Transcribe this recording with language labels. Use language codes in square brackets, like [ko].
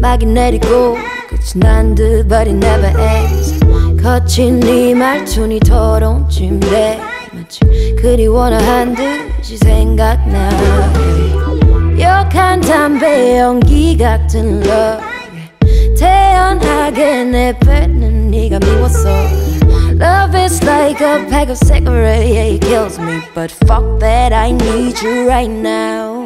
[en] Magnetic go, [ko] 끝이 난 듯, [en] but it never ends. [ko] 거친 네 말투니 더러운 침대. 마치 그리워나 한 듯이 생각나. [en] Your kind [ko] 담배 연기 같은 love. 태연하게 내뱉는 네가 미웠어. [en] Love is like a pack of cigarettes, yeah, it kills me. But fuck that, I need you right now.